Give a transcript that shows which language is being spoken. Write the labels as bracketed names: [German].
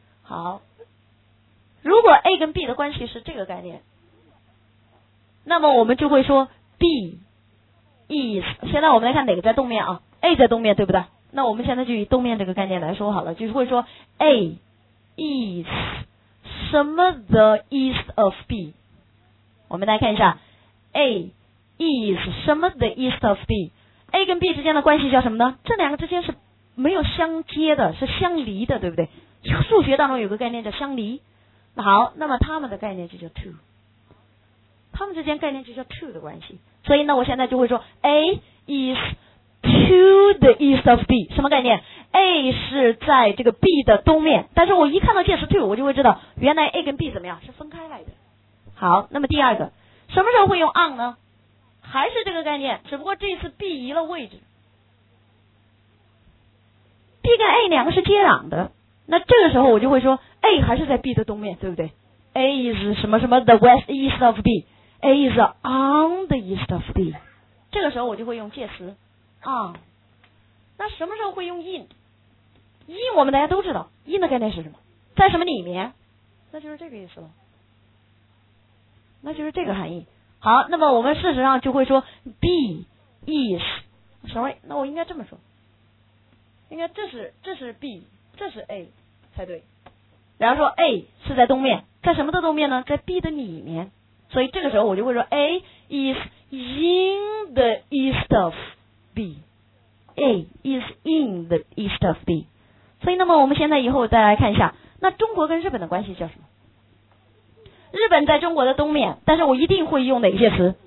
[Chinese] 好，如果 A 跟 B 的关系是这个概念，那么我们就会说 [English] B is， [Chinese] 现在我们来看哪个在东面啊？A 在东面，对不对？那我们现在就以东面这个概念来说好了，就是会说 [English] A is [Chinese] 什么 [English] the east of B。 [Chinese] 我们来看一下 [English] A is [Chinese] 什么 [English] the east of B。 [Chinese] A 跟 B 之间的关系叫什么呢？这两个之间是没有相接的，是相离的，对不对？数学当中有个概念叫相离。好，那么他们的概念就叫 to， 他们之间概念就叫 to 的关系。所以呢我现在就会说 [English] A is to the east of B， [Chinese] 什么概念？ A 是在这个 B 的东面，但是我一看到介词 to， 我就会知道原来 A 跟 B 怎么样，是分开来的。好，那么第二个什么时候会用 on 呢？还是这个概念，只不过这次 B 移了位置， B 跟 A 两个是接壤的，那这个时候我就会说 A 还是在 B 的东面，对不对？ [English] A is [Chinese] 什么什么 [English] the west east of B， A is on the east of B， [Chinese] 这个时候我就会用介词 on。那什么时候会用 in？ In 我们大家都知道 in 的概念是什么，在什么里面，那就是这个意思了，那就是这个含义。好，那么我们事实上就会说 [English] B is sorry， [Chinese] 那我应该这么说，应该这是 B， 这是 A 才对，然后说 A 是在东面，在什么的东面呢？在 B 的里面，所以这个时候我就会说 [English] A is in the east of B， A is in the east of B。 [Chinese] 所以那么我们现在以后再来看一下，那中国跟日本的关系叫什么？日本在中国的东面，但是我一定会用哪些词？